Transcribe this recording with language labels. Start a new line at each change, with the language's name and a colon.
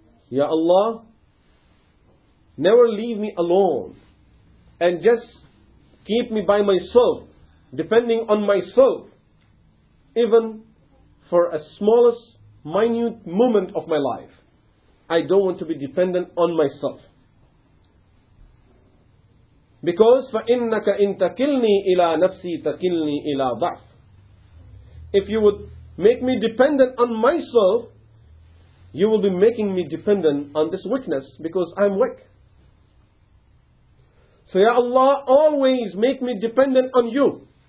English: Ya Allah, never leave me alone and just keep me by myself, depending on myself, even for a smallest, minute moment of my life. I don't want to be dependent on myself.
Arabic: Because فَإِنَّكَ إِن تَكِلْنِي إِلَىٰ نَفْسِي تَكِلْنِي إِلَىٰ ضَعْفِ.
English: If you would make me dependent on myself, you will be making me dependent on this weakness, because I'm weak. So Ya Allah, always make me dependent on you.